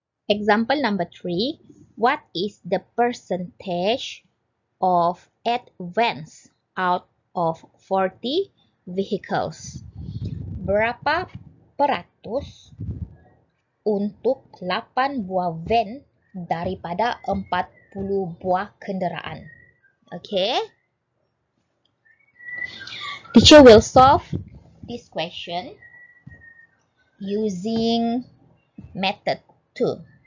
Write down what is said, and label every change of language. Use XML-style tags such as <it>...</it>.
<en>Example number 3. What is the percentage of advance out of 40 vehicles?</en> <ms>Berapa peratus untuk 8 buah van daripada 40 buah kenderaan?</ms> <en>Okay. Teacher will solve this question using method 2.</en>